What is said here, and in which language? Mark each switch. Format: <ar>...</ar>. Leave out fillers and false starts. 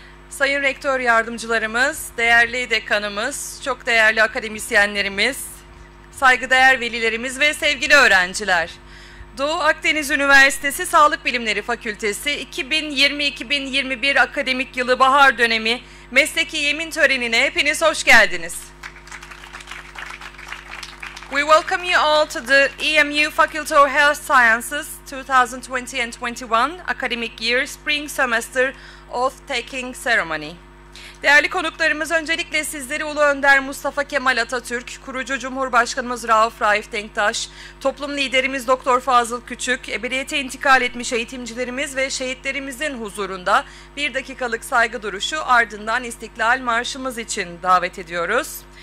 <tr>Sayın Rektör Yardımcılarımız, değerli dekanımız, çok değerli akademisyenlerimiz, saygıdeğer velilerimiz ve sevgili öğrenciler. Doğu Akdeniz Üniversitesi Sağlık Bilimleri Fakültesi 2020-2021 akademik yılı bahar dönemi mesleki yemin törenine hepiniz hoş geldiniz.</tr> <en>We welcome you all to the EMU Faculty of Health Sciences 2020 and 21 academic year spring semester oath taking ceremony.</en> <tr>Değerli konuklarımız, öncelikle sizleri Ulu Önder Mustafa Kemal Atatürk, kurucu Cumhurbaşkanımız Rauf Raif Denktaş, toplum liderimiz Doktor Fazıl Küçük, ebediyete intikal etmiş eğitimcilerimiz ve şehitlerimizin huzurunda bir dakikalık saygı duruşu, ardından İstiklal Marşımız için davet ediyoruz.</tr>